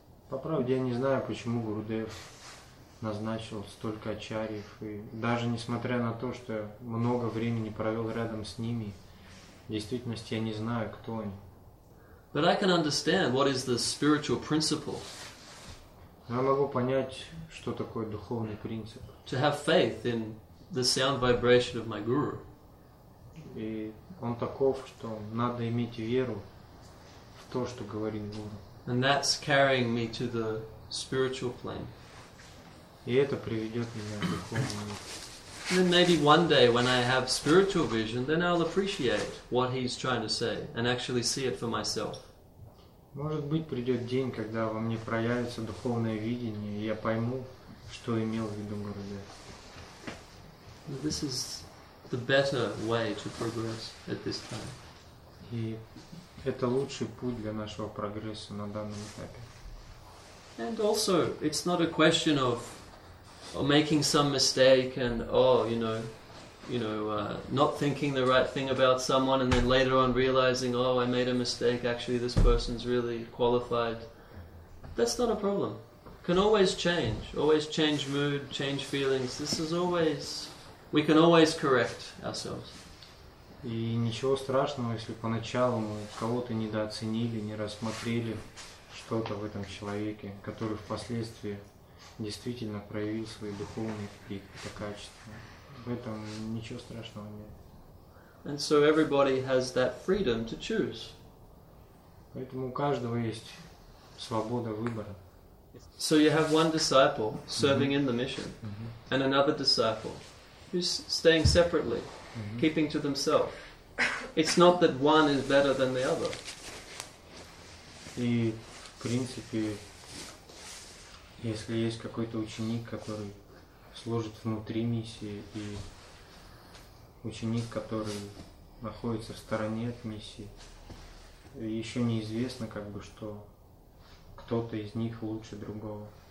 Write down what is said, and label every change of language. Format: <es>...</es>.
<ru>По правде, я не знаю, почему Гурудев назначил столько ачарьев, и даже несмотря на то, что я много времени провел рядом с ними, в действительности я не знаю, кто они.</ru> <en>But I can understand what is the spiritual principle.</en> <ru>Я могу понять, что такое духовный принцип.</ru> <en>To have faith in the sound vibration of my guru.</en> <ru>И он таков, что надо иметь веру в то, что говорит гуру.</ru> <en>And that's carrying me to the spiritual plane.</en> <ru>И это приведет меня к духовному миру.</ru> <en>Then maybe one day when I have spiritual vision, then I'll appreciate what he's trying to say and actually see it for myself.</en> <ru>Может быть, придет день, когда во мне проявится духовное видение, и я пойму, что имел в виду Гурудев.</ru> <en>This is the better way to progress at this time.</en> <ru>И это лучший путь для нашего прогресса на данном этапе.</ru> <en>And also, it's not a question of making some mistake and not thinking the right thing about someone and then later on realizing, oh, I made a mistake, actually this person's really qualified. That's not a problem. Can always change mood, change feelings. This is always, we can always correct ourselves.</en> <ru>И ничего страшного, если поначалу мы кого-то недооценили, не рассмотрели что-то в этом человеке, который впоследствии действительно проявил свои духовные какие-то качества. В этом ничего страшного нет.</ru> <en>And so everybody has that freedom to choose.</en> <ru>Поэтому у каждого есть свобода выбора.</ru> <en>So you have one disciple serving in the mission, and another disciple who's staying separately, keeping to themselves. It's not that one is better than the other.</en> <ru>И в принципе, если есть какой-то ученик, который служит внутри миссии, и ученик, который находится в стороне от миссии, еще неизвестно, как бы, что кто-то из них лучше другого.</ru>